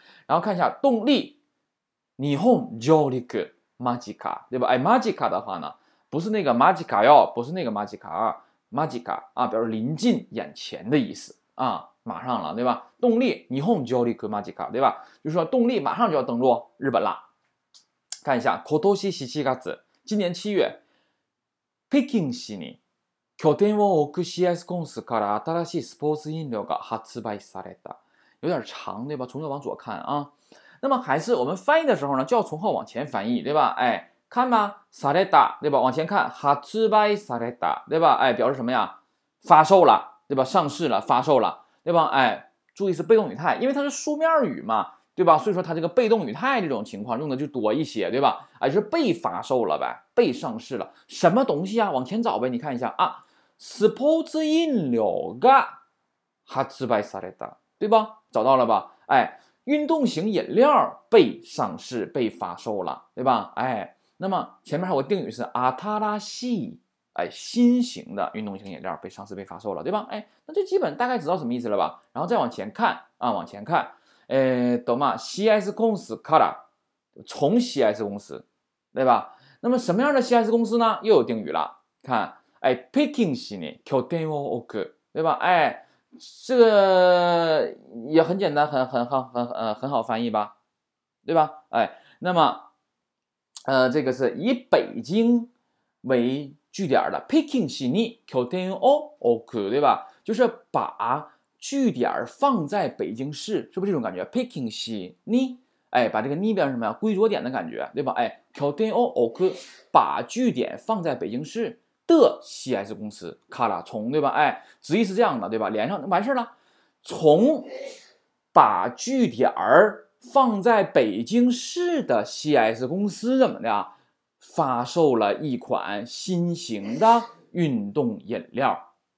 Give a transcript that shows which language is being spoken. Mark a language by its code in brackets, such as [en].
[zh] 然后看一下动力， [ja] 日本上陸マジカ， [zh] 对吧？哎，マジカ的话呢，不是那个マジカ哟，不是那个マジカ，マジカ啊，表示临近、眼前的意思啊。马上了，对吧？动力， [ja] 日本上陸マジカ， [zh] 对吧？就是说动力马上就要登陆日本了。看一下，今年7月，今年7月， [ja] 北京市に拠点を置く CS コンスから新しいスポーツ飲料が発売された。 [zh] 有点长，对吧？从右往左看啊。那么还是我们翻译的时候呢，就要从后往前翻译，对吧？哎，看吧，された，对吧？往前看， [ja] 発売された， [zh] 对吧？哎，表示什么呀？发售了，对吧？上市了，发售了，对吧？哎，注意是被动语态，因为它是书面语嘛，对吧？所以说它这个被动语态这种情况用的就多一些，对吧？啊，就是被发售了呗，被上市了，什么东西啊？往前找呗，你看一下啊 ，sports 饮料 [ja] が発売された， [zh] 对吧？找到了吧？哎，运动型饮料被上市、被发售了，对吧？哎，那么前面还有个定语是新しい，哎，新型的运动型饮料被上市、被发售了，对吧？哎，那就基本大概知道什么意思了吧？然后再往前看啊，往前看。 CS 公司から，从 CS 公司，对吧？那么什么样的 CS 公司呢？又有定语了。看，哎， [ja] 北京市に拠点を置く， [zh] 对吧？哎，这个也很简单，很好翻译吧，对吧？哎，那么，这个是以北京为据点的， [ja] 北京市に拠点を置く， [zh] 对吧？就是把据点放在北京市，是不是这种感觉？北京市に，哎，把这个ni变成什么呀？归着点的感觉，对吧？哎， [ja] 拠点を置く， [zh] 把据点放在北京市的 CS 公司から，从，对吧？哎，直译是这样的，对吧？连上完事了，从把据点放在北京市的 CS 公司怎么的，发售了一款新型的运动饮料。